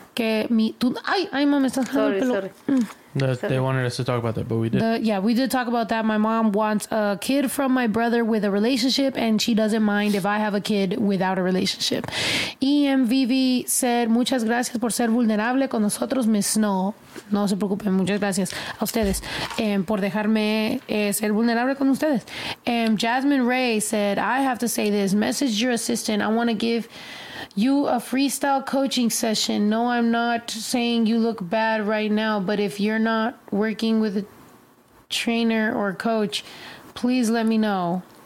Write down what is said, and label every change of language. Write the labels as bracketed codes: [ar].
[es] Que mi, tu, ay, ay, mami, estás jalando el pelo. [en] They wanted us to talk about that, but we did. Yeah, we did talk about that. My mom wants a kid from my brother with a relationship, and she doesn't mind if I have a kid without a relationship. [es] EMVV said, muchas gracias por ser vulnerable con nosotros, Miss Snow. No se preocupen, muchas gracias a ustedes por dejarme ser vulnerable con ustedes. [en] Jasmine Ray said, I have to say this. Message your assistant. I want to give... you a freestyle coaching session. No, I'm not saying you look bad right now, but if you're not working with a trainer or coach, please let me know.